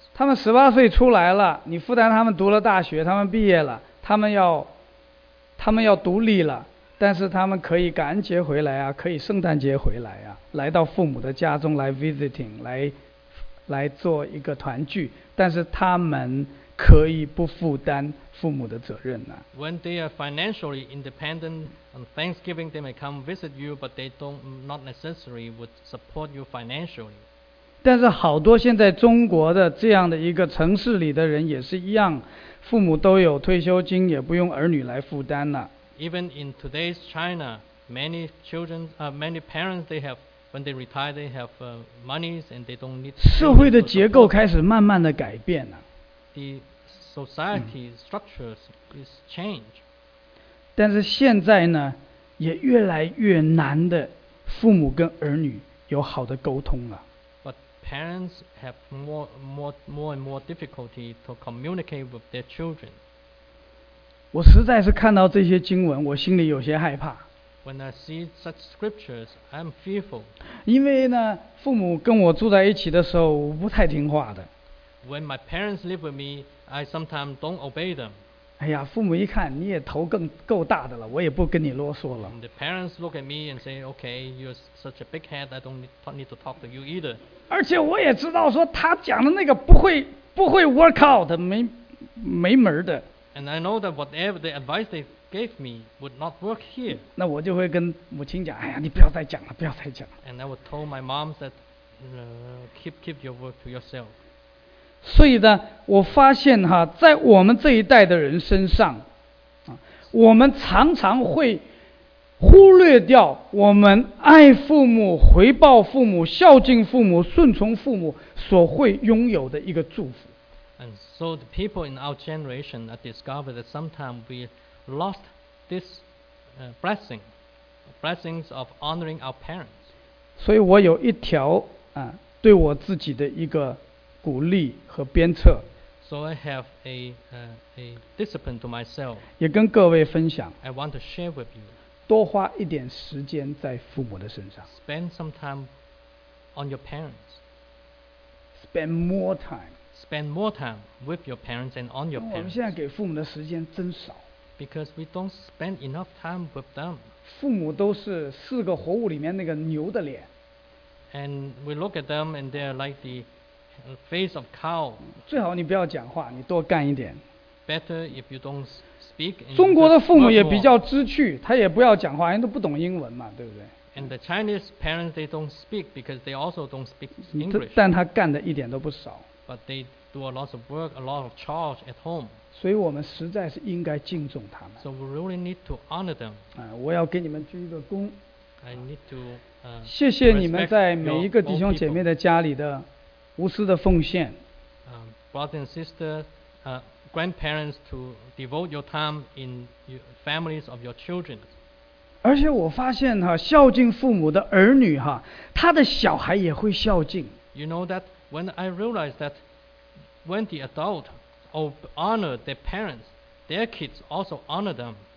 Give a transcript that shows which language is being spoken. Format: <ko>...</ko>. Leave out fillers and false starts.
<zh>他们十八岁出来了，你负担他们读了大学，他们毕业了，他们要独立了。但是他们可以感恩节回来啊，可以圣诞节回来啊，来到父母的家中来 visiting， 来做一个团聚。但是他们可以不负担父母的责任呢、</zh> <en>When they are financially independent on Thanksgiving, they may come visit you, but they don't not necessarily would support you financially.</en> <zh>但是好多现在中国的这样的一个城市里的人也是一样，父母都有退休金，也不用儿女来负担了。</zh> <en>Even in today's China, many children, many parents, they have, when they retire, they have monies and they don't need.</en> <zh>社会的结构开始慢慢的改变了。</zh> <en>The society structures is change.</en> <zh>但是现在呢，也越来越难的父母跟儿女有好的沟通了。</zh> <en>But parents have more and more difficulty to communicate with their children.</en> <zh>我实在是看到这些经文，我心里有些害怕。</zh> <en>When I see such scriptures, I'm fearful.</en> <zh>因为呢，父母跟我住在一起的时候，我不太听话的。</zh> <en>When my parents live with me, I sometimes don't obey them.</en> <zh>哎呀，父母一看你也头更够大的了，我也不跟你啰嗦了。</zh> <en>And the parents look at me and say, "Okay, you're such a big head. I don't need to talk to you either."</en> <zh>而且我也知道说他讲的那个不会</zh> <en>work out，</en> <zh>没门的。</zh> <en>And I know that whatever the advice they gave me would not work here.</en> <zh>那我就会跟母亲讲，哎呀，你不要再讲了，不要再讲了。</zh> <en>And I would told my mom that, keep your work to yourself.</en> <zh>所以呢，我发现哈，在我们这一代的人身上，啊，我们常常会忽略掉我们爱父母、回报父母、孝敬父母、顺从父母所会拥有的一个祝福。</zh> <en>And so the people in our generation have discovered that sometimes we lost this blessings of honoring our parents.</en> <zh>所以我有一条啊，对我自己的一个鼓励和鞭策。</zh> <en>So I have a discipline to myself.</en> <zh>也跟各位分享。</zh> <en>I want to share with you.</en> <zh>多花一点时间在父母的身上。</zh> <en>Spend some time on your parents. Spend more time. Spend more time with your parents and on your parents.</en> <zh>我们现在给父母的时间真少。</zh> <en>Because we don't spend enough time with them.</en> <zh>父母都是四个活物里面那个牛的脸。</zh> <en>And we look at them and they're like the face of cow.</en> <zh>最好你不要讲话，你多干一点。</zh> <en>Better if you don't speak.</en> <zh>中国的父母也比较知趣，他也不要讲话，因为都不懂英文嘛，对不对？</zh> <en>And the Chinese parents, they don't speak because they also don't speak English.</en> <zh>但他干的一点都不少。</zh> <en>But they do a lot of work, a lot of charge at home.</en> <zh>所以我们实在是应该敬重他们。</zh> <en>So we really need to honor them.</en> <zh>我要给你们鞠一个躬。</zh> <en>I need to.</en> <zh>谢谢你们在每一个弟兄姐妹的家里的无私的奉献。</zh> <en>Brothers and sisters, grandparents to devote your time in families of your children.</en> <zh>而且我发现哈，孝敬父母的儿女哈，他的小孩也会孝敬。</zh> <en>You know that when I realized that when the adult honor their parents, their kids also honor them.</en>